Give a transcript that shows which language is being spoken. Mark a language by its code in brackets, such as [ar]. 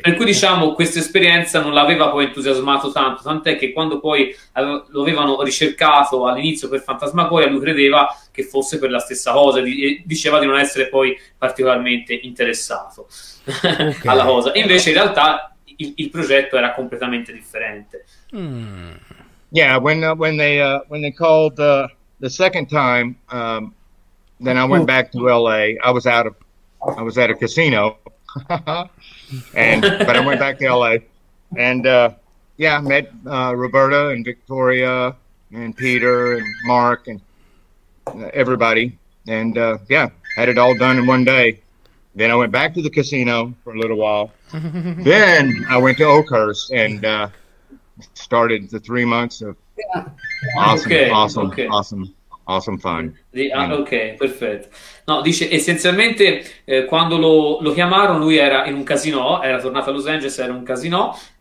[it] Per cui, diciamo, questa esperienza non l'aveva poi entusiasmato tanto, tant'è che quando poi lo avevano ricercato all'inizio per Phantasmagoria, lui credeva che fosse per la stessa cosa, diceva di non essere poi particolarmente interessato okay. alla cosa. Invece, in realtà, il progetto era completamente differente. [en] Yeah, when they called the second time, then I went back to LA. I was at a casino, but I went back to LA, and met Roberta and Victoria and Peter and Mark and everybody, and had it all done in one day. Then I went back to the casino for a little while. Then I went to Oakhurst and started the 3 months of awesome fun. [it] Okay, perfetto. No, dice essenzialmente quando lo chiamarono, lui era in un casino, era tornato a Los Angeles, era un casino.